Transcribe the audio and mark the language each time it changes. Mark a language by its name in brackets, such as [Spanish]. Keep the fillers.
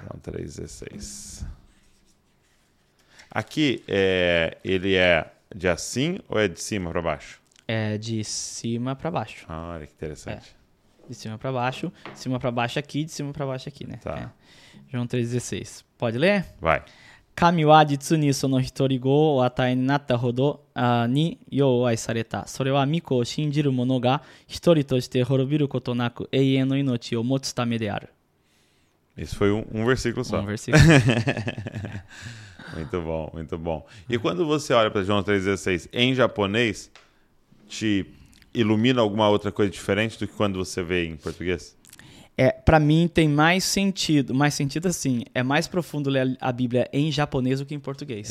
[Portuguese] João 3,16. Aqui, é, ele é de assim ou é de cima pra baixo? É de cima pra baixo. Ah, olha que interessante. De cima pra baixo, de cima pra baixo aqui, de cima pra baixo aqui, né? Tá. É. João 3,16. Pode ler? Vai. [Japanese] 神は実にその一人子をお与えになったほどあーによう愛された。それは御子を信じる者が一人として滅びることなく永遠の命を持つためである。 [Portuguese] Isso foi um, um versículo só. Um versículo. Muito bom, muito bom. E quando você olha para João 3,16 em japonês, te ilumina alguma outra coisa diferente do que quando você vê em português? É, para mim tem mais sentido, mais sentido assim, é mais profundo ler a Bíblia em japonês do que em português.